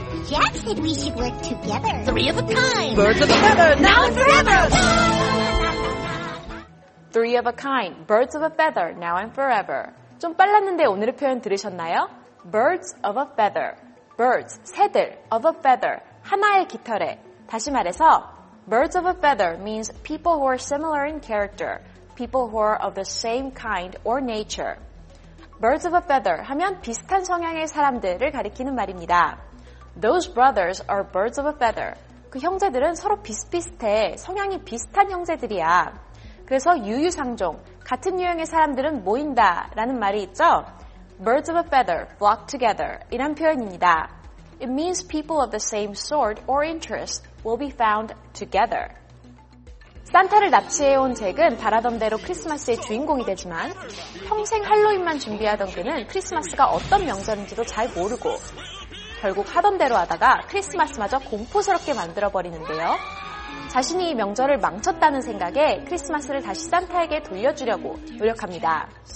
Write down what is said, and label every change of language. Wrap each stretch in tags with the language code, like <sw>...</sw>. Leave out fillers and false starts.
<en>Jack said we should work together. Three of a kind. Birds of a feather, now and forever. Three of a kind. Birds of a feather, now and forever.</en> <ko>좀 빨랐는데 오늘의 표현 들으셨나요?</ko> <en>Birds of a feather. Birds,</en> <ko>새들.</ko> <en>Of a feather,</en> <ko>하나의 깃털에. 다시 말해서</ko> <en>Birds of a feather means people who are similar in character, people who are of the same kind or nature. Birds of a feather</en> <ko>하면 비슷한 성향의 사람들을 가리키는 말입니다.</ko> <en>Those brothers are birds of a feather.</en> <ko>그 형제들은 서로 비슷비슷해, 성향이 비슷한 형제들이야. 그래서 유유상종, 같은 유형의 사람들은 모인다 라는 말이 있죠.</ko> <en>Birds of a feather flock together</en> <ko>이란 표현입니다.</ko> <en>It means people of the same sort or interest will be found together.</en> <ko>산타를 납치해온 잭은 바라던 대로 크리스마스의 주인공이 되지만 평생 할로윈만 준비하던 그는 크리스마스가 어떤 명절인지도 잘 모르고 결국 하던 대로 하다가 크리스마스마저 공포스럽게 만들어버리는데요. 자신이 이 명절을 망쳤다는 생각에 크리스마스를 다시 산타에게 돌려주려고 노력합니다.</ko>